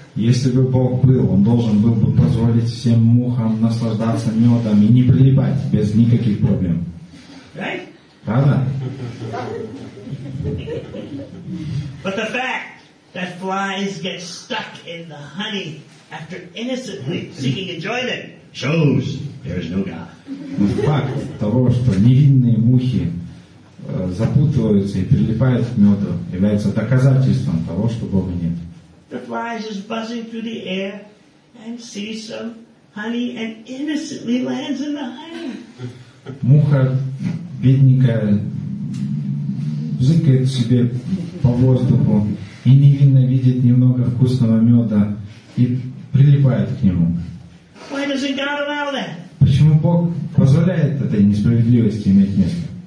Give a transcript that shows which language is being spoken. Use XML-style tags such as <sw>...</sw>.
<ru>Если бы Бог был, он должен был бы позволить всем мухам наслаждаться медом и не прилипать без никаких проблем.</ru> <en>Right?</en> <ru>Правда?</ru> <en>But the fact that flies get stuck in the honey after innocently seeking enjoyment shows there is no God.</en> <ru>Факт того, что невинные мухи запутываются и прилипают к меду, является доказательством того, что Бога нет.</ru> <en>The fly is just buzzing through the air and sees some honey and innocently lands in the honey.</en> <ru>Муха бедненькая зыкает себе по воздуху и невинно видит немного вкусного меда и прилипает к нему.</ru> <en>Why doesn't God allow that?</en> <ru>Почему Бог позволяет этой несправедливости иметь место?</ru>